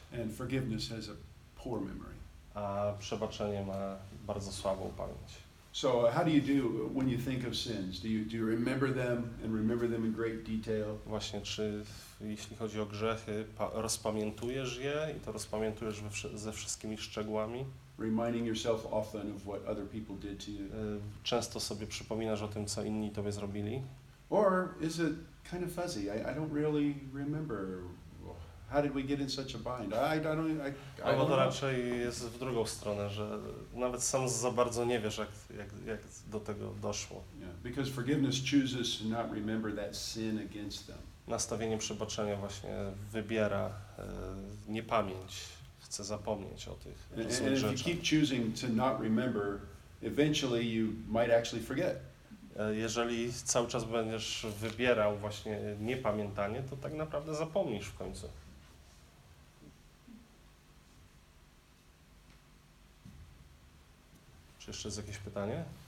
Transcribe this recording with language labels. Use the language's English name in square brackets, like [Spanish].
[English] And forgiveness has a poor memory. [Polish] A przebaczenie ma bardzo słabą pamięć. [English] So how do you do when you think of sins? Do you remember them and remember them in great detail? [Polish] Właśnie, czy jeśli chodzi o grzechy, rozpamiętujesz je i to rozpamiętujesz ze wszystkimi szczegółami? [English] Reminding yourself often of what other people did to you. [Polish] Często sobie przypominasz o tym, co inni tobie zrobili. [English] Or is it kind of fuzzy? I don't really remember. How did we get in such a bind? I don't know. [Polish] Albo to raczej jest w drugą stronę, że nawet sam za bardzo nie wiesz, jak do tego doszło. [English] Yeah. Because forgiveness chooses to not remember that sin against them. [Polish] Nastawienie przebaczenia właśnie wybiera niepamięć. Chcę zapomnieć o tych rzeczach. [English] And if you keep choosing to not remember, eventually you might actually forget. [Polish] Jeżeli cały czas będziesz wybierał właśnie niepamiętanie, to tak naprawdę zapomnisz w końcu. Czy jeszcze jest jakieś pytanie?